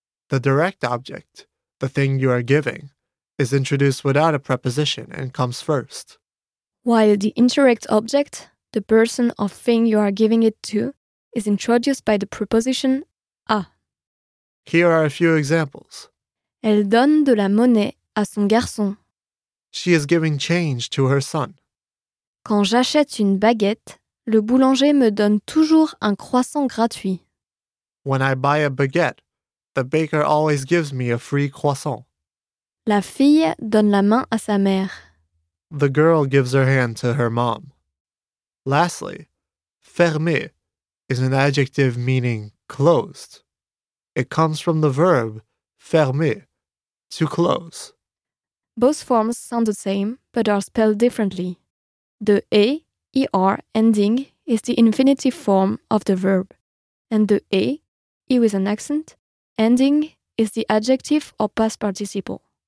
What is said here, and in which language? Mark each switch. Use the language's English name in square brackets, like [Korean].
[English] The direct object, the thing you are giving, is introduced without a preposition and comes first. While the indirect object, the person or thing you are giving it to, is introduced by the preposition à. Here are a few examples. [French] Elle donne de la monnaie à son garçon. [English] She is giving change to her son. [French] Quand j'achète une baguette, le boulanger me donne toujours un croissant gratuit. [English] When I buy a baguette, the baker always gives me a free croissant. [French] La fille donne la main à sa mère. [English] The girl gives her hand to her mom. Lastly, fermé is an adjective meaning closed. It comes from the verb fermer, to close. Both forms sound the same, but are spelled differently. The A, ER ending is the infinitive form of the verb, and the A, E with an accent, ending is the adjective or past participle.